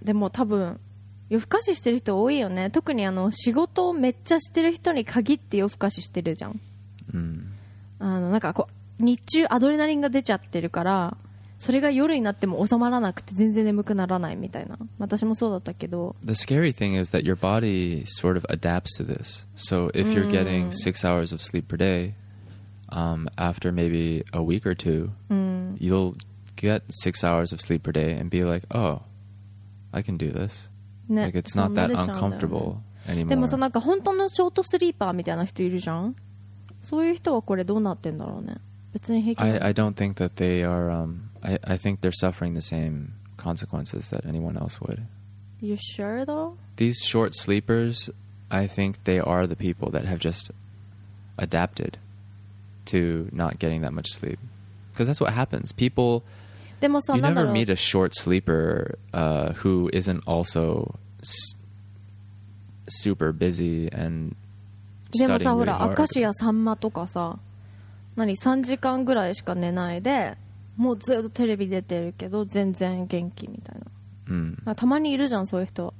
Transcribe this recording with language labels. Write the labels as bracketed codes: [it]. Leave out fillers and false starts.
[ja] でも多分夜更かししてる人多いよね。特に仕事をめっちゃしてる人に限って夜更かししてるじゃん。なんかこう日中アドレナリンが出ちゃってるから、それが夜になっても収まらなくて全然眠くならないみたいな。私もそうだったけど、 [en] The scary thing is that your body sort of adapts to this. So if you're getting 6 hours of sleep per day, after maybe a week or two, you'll get 6 hours of sleep per day and be like, oh, I can do this. Like it's not that uncomfortable anymore. [ja] でもさ、なんか本当のショートスリーパーみたいな人いるじゃん。そういう人はこれどうなってんだろうね。 [en] I don't think that they are. I think they're suffering the same consequences that anyone else would. You sure though? These short sleepers, I think they are the people that have just adapted to not getting that much sleep, because that's what happens. People. You never meet a short sleeper who isn't also super busy and studying really hard. [ja] でもさ、ほら、明石家さんまとかさ。何3時間ぐらいしか寝ないでもうずっとテレビ出てるけど全然元気みたいな、たまにいるじゃんそういう人。